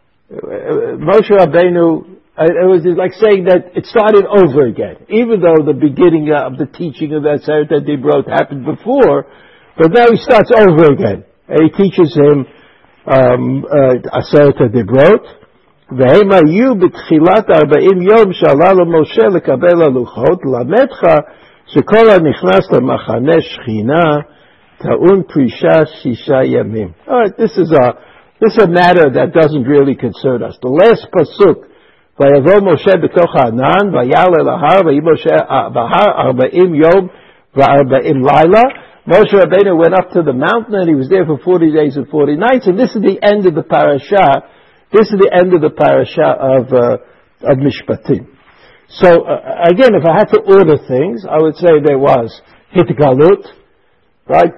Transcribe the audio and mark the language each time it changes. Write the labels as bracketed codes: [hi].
[en] Moshe Rabbeinu, it was like saying that it started over again. Even though the beginning of the teaching of that aseret ha'dibrot happened before, but now he starts over again. And he teaches him aseret ha'dibrot. [he] והם היו בתחילת 40 יום שעלה למשה לקבל הלוחות, למדך שכל הנכנס למחנה שכינה טעון פרישה שישה ימים. [en] All right, this is a matter that doesn't really concern us. The last pasuk, [he] ויבוא משה בתוך הענן, ויעלה להר, ויהי משה בהר 40 יום ו-40 לילה. [en] Moshe Rabbeinu went up to the mountain, and he was there for 40 days and 40 nights, and this is the end of the parasha. This is the end of the parasha of Mishpatim. So, again, if I had to order things, I would say there was Hitgalut, right?